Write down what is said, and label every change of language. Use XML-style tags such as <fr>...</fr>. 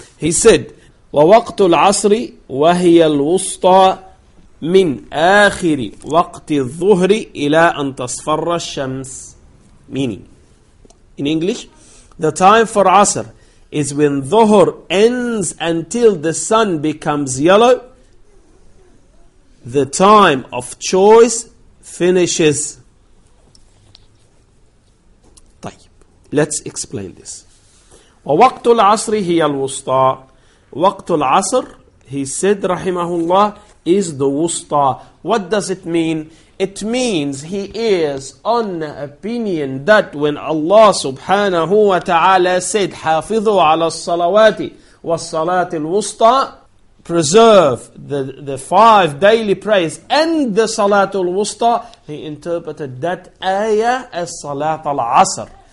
<en>He said,</en> <ar>وَوَقْتُ الْعَصْرِ وَهِيَ الْوُسْطَى مِنْ آخِرِ وَقْتِ الظُّهْرِ إِلَىٰ أَنْ تَصْفَرَّ الشَّمْسِ.</ar> <en>Meaning, in English, the time for asr is when Dhuhr ends until the sun becomes yellow, the time of choice finishes. طيب, let's explain this.</en> <ar>وقت العصر هي الوسطى. وقت العصر,</ar> <en>he said,</en> <ar>رحمه الله, is the وسطى.</ar> <en>What does it mean? It means he is on the opinion that when Allah subhanahu wa ta'ala said,</en> <ar>حافظوا على الصلوات والصلاة الوسطى,</ar> <en>preserve the five daily prayers and the Salat al-Wusta, he interpreted that ayah as Salat al-Asr.</en>